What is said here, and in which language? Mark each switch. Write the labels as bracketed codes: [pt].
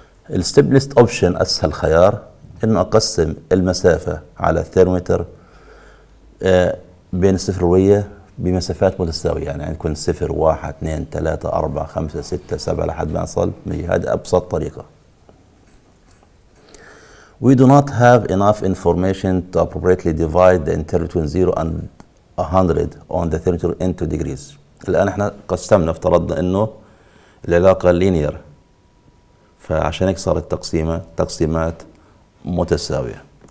[ar] السيمبلست اوبشن، اسهل خيار، ان اقسم المسافه على الثيرمومتر بين الصفر و100 بمسافات متساويه، يعني يكون 0 1 2 3 4 5 6 7 لحد ما اصل 100. هذه ابسط طريقه. [en] We do not have enough information to appropriately divide the interval between 0 and 100 on the thermometer into degrees. [ar] الآن احنا قسمنا، افترضنا انه العلاقة لينير، فعشان هيك صارت تقسيمات متساوية.